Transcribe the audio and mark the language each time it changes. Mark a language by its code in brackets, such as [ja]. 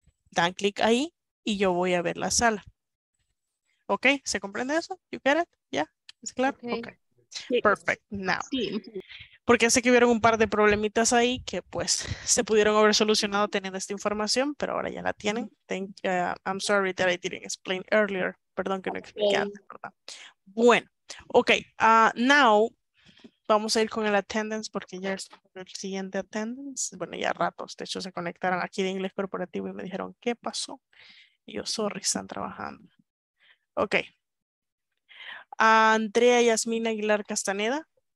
[es] Dan clic ahí y yo voy a ver la sala. ¿Ok? ¿Se comprende eso? [en] ¿You get it? [es] ¿Ya? ¿Es claro? [en] Ok. Okay. Perfect. Now. [es] Sí. Porque sé que hubieron un par de problemitas ahí que pues se pudieron haber solucionado teniendo esta información, pero ahora ya la tienen. [en] Thank, I'm sorry that I didn't explain earlier. [es] Perdón que no expliqué antes, ¿verdad? Bueno. Ok. Now, vamos a ir con el attendance porque ya es el siguiente attendance. Bueno, ya ratos. De hecho, se conectaron aquí de inglés corporativo y me dijeron, ¿qué pasó? Y yo, sorry, están trabajando. Ok. Andrea Yasmín Aguilar Castaneda.